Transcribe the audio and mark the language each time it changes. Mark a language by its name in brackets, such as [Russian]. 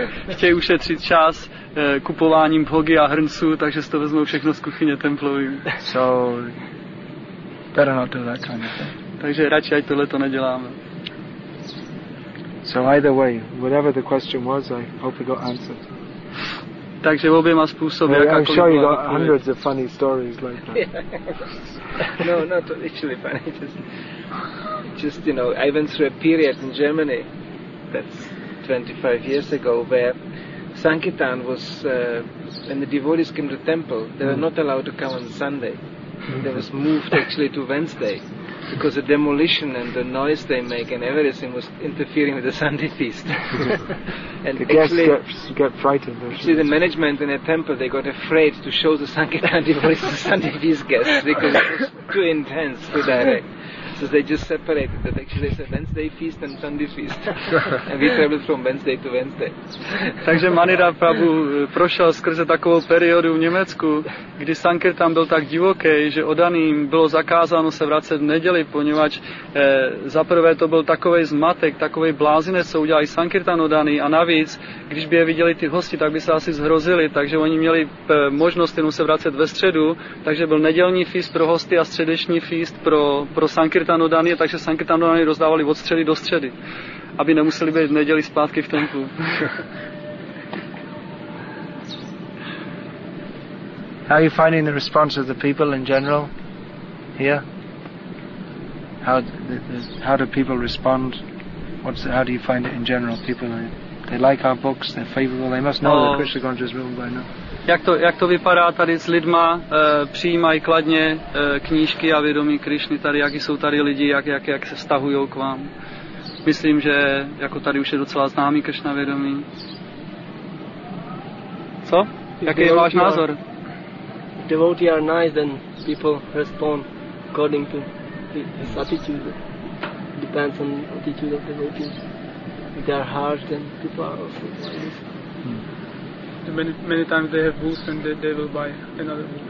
[Czech] Chtějí ušetřit čas kupováním bhogy a hrnců, takže si to vezmou všechno z kuchyně templovým. [English] So better not do that kind of thing. [Czech] Takže radši ať tohle to neděláme. [English] So either way, whatever the question was, I hope it got answered. [Czech] Takže oběma způsoby, jakákoliv. [English] I'm sure you got hundreds of funny stories like that. No, not literally funny. Just you know, I went through a period in Germany, that's 25 years ago, where Sankirtan was, when the devotees came to temple, they were not allowed to come on Sunday. They was moved actually to Wednesday, because the demolition and the noise they make and everything was interfering with the Sunday feast. And the guests get frightened. See, the management in a temple, they got afraid to show the Sankirtan devotees the Sunday feast guests because it was too intense, too direct. So they just separated it. Actually, it's a Wednesday feast and Sunday feast. And we traveled from Wednesday to Wednesday. [Czech] Takže Manira Prabhu prošel skrze takovou periodu v Německu, kdy Sankirtan byl tak divoký, že oddaným bylo zakázáno se vracet v neděli, poněvadž zaprvé to byl takovej zmatek, takovej blázinec, co udělali Sankirtan oddaný, a navíc, když by je viděli ty hosti, tak by se asi zhrozili, takže oni měli možnost jenom se vracet ve středu, takže byl nedělní feast pro hosty a středeční feast pro Sankirtan oddaný, takže Sankirtan oddaný rozdávali od středy do středy, aby nemuseli být v neděli zpátky v templu. [English] How are you finding the response of the people in general here? How do people respond? How do you find it in general? People, they like our books, they're favorable, they must know that Krishna consciousness movement by now. [Czech] Jak to vypadá tady s lidma? Přijímají kladně knížky a vědomí Krišny tady, jaký jsou tady lidi, jak se vztahují k vám? Myslím, že jako tady už je docela známý Krišna vědomí. Co? Jaký je váš názor? [English] Devotees are nice, then people respond according to his attitude. Depends on the attitude of the devotees. If they are harsh, then people are also like this. Many times they have books and they will buy another book.